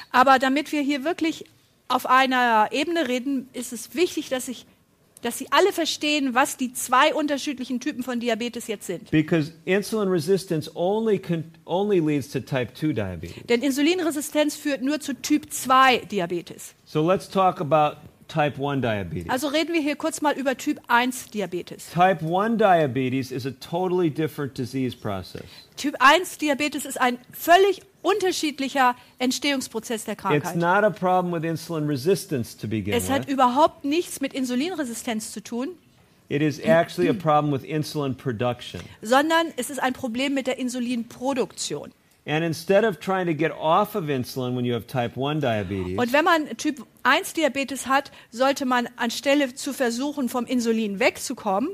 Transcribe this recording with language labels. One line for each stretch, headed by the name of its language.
German: Aber damit wir hier wirklich auf einer Ebene reden, ist es wichtig, dass Sie alle verstehen, was die zwei unterschiedlichen Typen von Diabetes jetzt sind.
English: Because insulin resistance only leads to type 2 diabetes.
German: Denn Insulinresistenz führt nur zu Typ 2 Diabetes.
English: So let's talk about type 1 diabetes.
German: Also reden wir hier kurz mal über Typ 1 Diabetes.
English: Type 1 diabetes is a totally different disease process.
German: Typ 1 Diabetes ist ein völlig unterschiedlicher Entstehungsprozess der Krankheit.
English: It's not a problem with insulin resistance to begin
German: es hat
English: with.
German: Überhaupt nichts mit Insulinresistenz zu tun.
English: It is actually a problem with insulin production.
German: Sondern es ist ein Problem mit der Insulinproduktion.
English: And instead of trying to get off of insulin when you have type 1 diabetes.
German: Und wenn man Typ 1 Diabetes hat, sollte man anstelle zu versuchen vom Insulin wegzukommen,